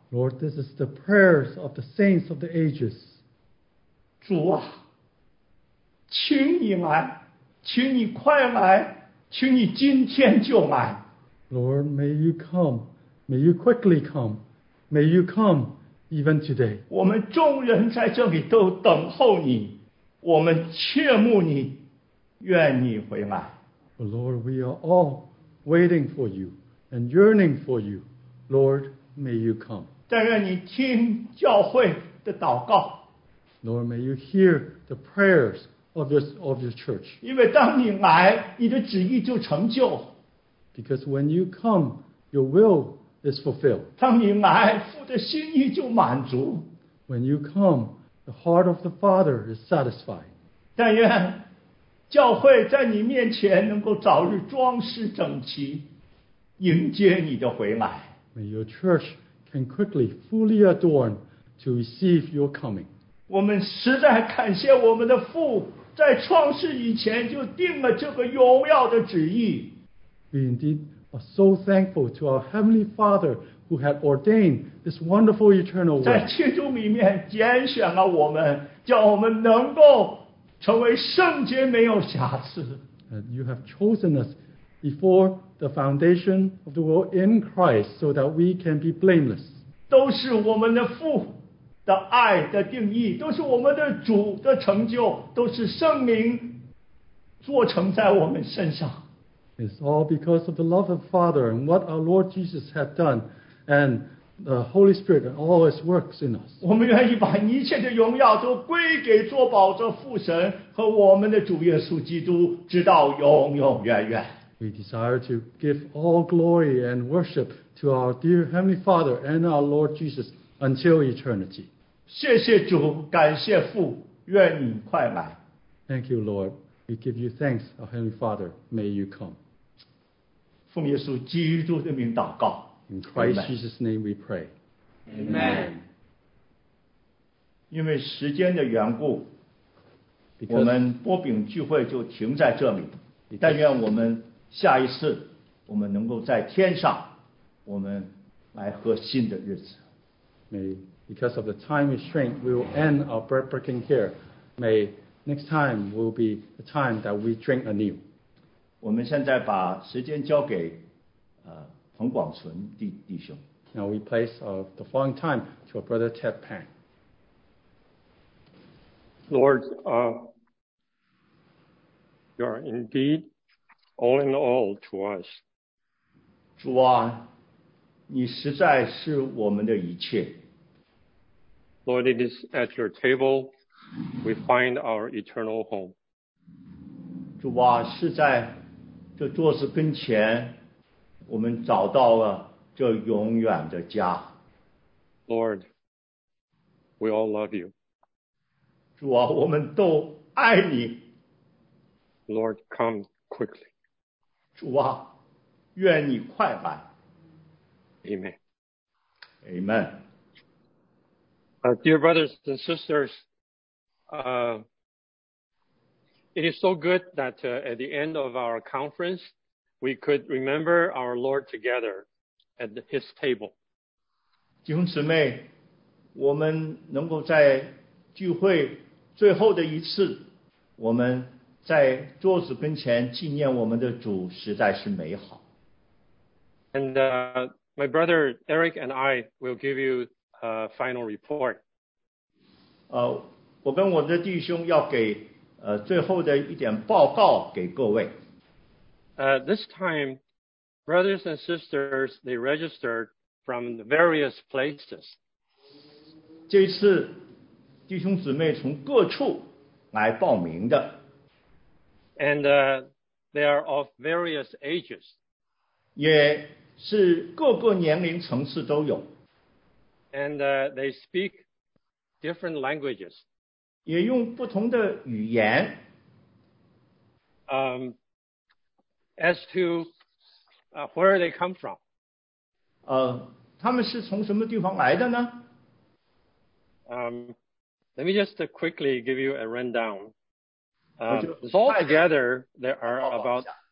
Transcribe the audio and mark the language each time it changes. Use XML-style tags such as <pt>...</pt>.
<en>Lord, this is the prayers of the saints of the ages.</en> <zh>主啊，请你来，请你快来，请你今天就来。</zh> <en>Lord, may you come, may you quickly come, may you come even today.</en> <zh>我们众人在这里都等候你，我们切慕你，愿你回来。</zh> <en>Lord, we are all waiting for you and yearning for you. Lord, may you come.</en> <zh>但愿你听教会的祷告。</zh> <en>Lord, may you hear the prayers of your church.</en> <zh>因为当你来，你的旨意就成就。</zh> <en>Because when you come, your will is fulfilled.</en> <zh>当你来，父的心意就满足。</zh> <en>When you come, the heart of the Father is satisfied.</en> <zh>但愿教会在你面前能够早日装饰整齐，迎接你的回来。</zh> <en>May your church can quickly fully adorn to receive your coming.</en> <zh>我们实在感谢我们的父在创世以前就定了这个荣耀的旨意。</zh> <en>We indeed are so thankful to our Heavenly Father who had ordained this wonderful eternal work.</en> <zh>在基督里面拣选了我们，叫我们能够成为圣洁没有瑕疵。</zh> <en>And you have chosen us before the foundation of the world in Christ so that we can be blameless.</en> <zh>都是我们的父的爱的定义，都是我们的主的成就，都是圣灵做成在我们身上。</zh> <en>It's all because of the love of the Father and what our Lord Jesus had done and the Holy Spirit and all His works in us.</en> <zh>我们愿意把一切的荣耀都归给作宝的父神和我们的主耶稣基督，直到永永远远。</zh> <en>We desire to give all glory and worship to our dear Heavenly Father and our Lord Jesus until eternity.</en> <zh>谢谢主，感谢父，愿你快来。</zh> <en>Thank you, Lord. We give you thanks, our Heavenly Father. May you come.</en> <zh>奉耶稣基督的名祷告。</zh> <en>In Christ Jesus' name we pray. Amen.</en> <zh>因为时间的缘故，我们波饼聚会就停在这里。但愿我们下一次，我们能够在天上，我们来喝新的日子。</zh> <en>May, because of the time restraint, we will end our bread breaking here. May next time will be the time that we drink anew.</en> <zh>我们现在把时间交给彭广存弟兄。</zh> <en>Now we place the following time to our brother Ted Pan. Lord, you are indeed all in all to us.</en> <zh>主啊，你实在是我们的一切。</zh> <en>Lord, it is at your table we find our eternal home.</en> <zh>主啊，是在这桌子跟前我们找到了这永远的家。</zh> <en>Lord, we all love you.</en> <zh>主啊，我们都爱你。</zh> <en>Lord, come quickly.</en> <zh>主啊，愿你快来。</zh> <en>Amen. Amen. Dear brothers and sisters, it is so good that at the end of our conference,We could remember our Lord together at His table.</en> <zh>弟兄姊妹，我们能够在聚会最后的一次，我们在桌子跟前纪念我们的主，实在是美好。</zh> <en>And my brother Eric and I will give you a final report.</en> <zh>我跟我的弟兄要给最后的一点报告给各位。</zh> <en>This time, brothers and sisters, they registered from various places.</en> <zh>这次弟兄姊妹从各处来报名的。</zh> <en>And they are of various ages.</en> <zh>也是各个年龄层次都有。</zh> <en>And they speak different languages.</en> <zh>也用不同的语言。</zh> <en>As to where they come from.</en> <zh>他们是从什么地方来的呢?</zh> <en>Let me just quickly give you a rundown. Altogether, there are about</en>